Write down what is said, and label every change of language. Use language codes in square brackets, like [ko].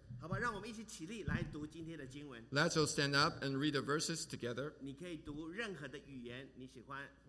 [zh] 好吧，让我们一起起立来读今天的经文。 [en] Let's all stand up and read the verses together. [zh] 你可以读任何的语言你喜欢。